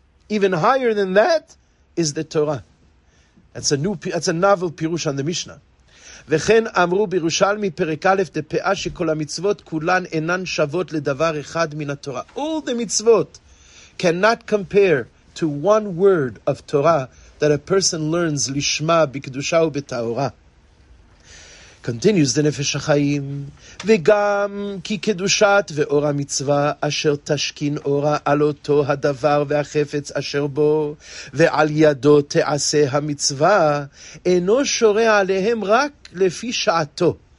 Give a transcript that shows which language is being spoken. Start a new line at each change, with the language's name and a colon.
English: Even higher than that is the Torah. That's a novel pirush on the Mishnah.
Hebrew: וכן אמרו בירושלמי פרק א' דפאה שכל המצוות כולן אינן שוות לדבר אחד מן התורה.
English: All the mitzvot cannot compare to one word of Torah that a person learns
Hebrew: לשמה בקדושה ובתאורה.
English: Continues the Nefesh HaChaim,
Hebrew: וגם כי קדושת ואור המצווה אשר תשכין אורה על אותו הדבר והחפץ אשר בו, ועל ידו תעשה המצווה, אינו שורה עליהם רק לפי שעתו.